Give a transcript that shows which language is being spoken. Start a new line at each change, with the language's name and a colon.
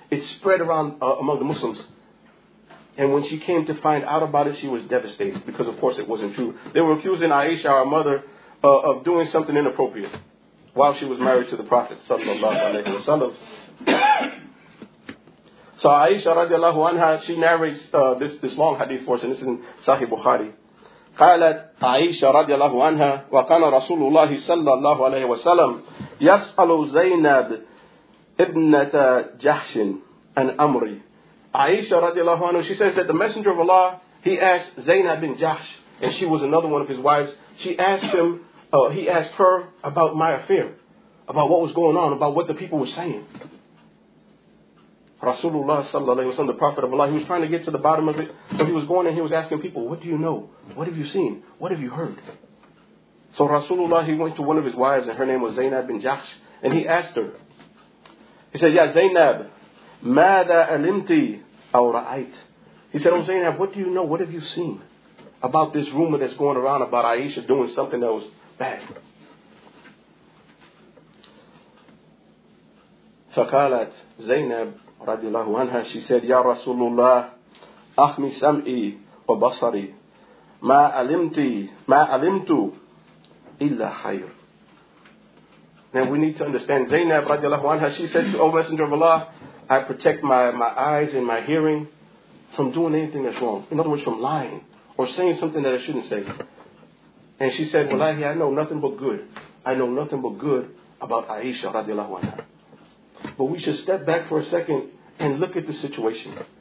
English: It spread around among the Muslims. And when she came to find out about it, she was devastated because, of course, it wasn't true. They were accusing Aisha, our mother, of doing something inappropriate while she was married to the Prophet sallallahu alaihi wasallam. So Aisha radiallahu anha, she narrates this long hadith for us, and this is in Sahih Bukhari.
Arabic: قالت عائشة رضي الله عنها وكان رسول الله صلى الله عليه وسلم يسأل زينب ابنة جحش عن أمري. عائشة رضي الله عنها,
English: she says that the messenger of Allah, he asked Zainab bin Jahsh, and she was another one of his wives, she asked him, he asked her about my affair, about what was going on, about what the people were saying. Rasulullah sallallahu alayhi wa sallam, the Prophet of Allah, he was trying to get to the bottom of it. So he was going and he was asking people, what do you know? What have you seen? What have you heard? So Rasulullah, he went to one of his wives and her name was Zainab bin Jahsh. And he asked her, he said, Ya Zainab,
Arabic: ماذا علمتي أو رأيت?
English: He said, Oh Zainab, what do you know? What have you seen? about this rumor that's going around about Aisha doing something that was bad.
Arabic: فقالت زينب رضي الله عنها,
English: she said,
Arabic: يا رسول الله أخمي سمعي وبصري ما علمت إلا خير.
English: Now we need to understand, Zainab radiallahu anha, she said to O Messenger of Allah, I protect my eyes and my hearing from doing anything that's wrong. In other words, from lying or saying something that I shouldn't say. And she said, Wallahi, I know nothing but good. I know nothing but good about Aisha radiallahu anha. But we should step back for a second and look at the situation.